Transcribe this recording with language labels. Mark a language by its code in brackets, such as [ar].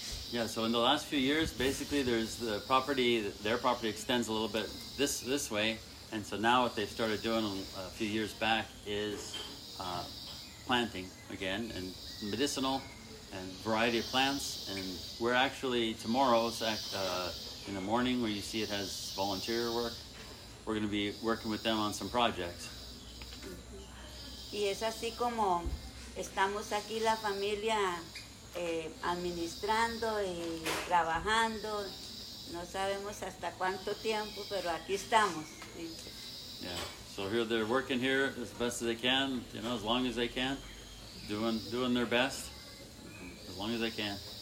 [en] Yeah, so in the last few years, basically there's the property, their property extends a little bit this way, and so now what they've started doing a few years back is planting again, and medicinal and variety of plants, and we're actually tomorrow's in the morning where you see it has volunteer work, we're going to be working with them on some projects. [es] Y es así como estamos aquí la familia administrando y trabajando, no sabemos hasta cuánto tiempo, pero aquí estamos. [en] Yeah. So here they're working here as best as they can, you know, as long as they can, doing their best, as long as they can.